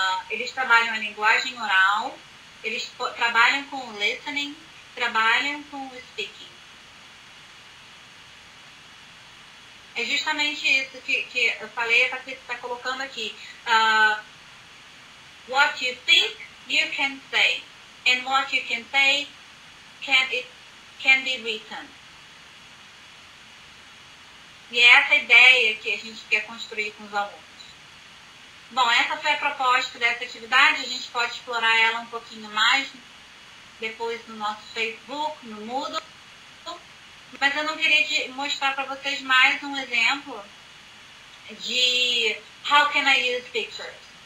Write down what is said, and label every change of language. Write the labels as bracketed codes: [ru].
[pt] Eles trabalham a linguagem oral, eles trabalham com listening, trabalham com speaking. É justamente isso que eu falei, a Patrícia está colocando aqui. [en] What you think you can say, and what you can say can be written. [pt] E é essa ideia que a gente quer construir com os alunos. Bom, essa foi a proposta dessa atividade, a gente pode explorar ela um pouquinho mais depois no nosso Facebook, no Moodle. Mas eu não queria mostrar para vocês mais um exemplo de [en] How can I use pictures?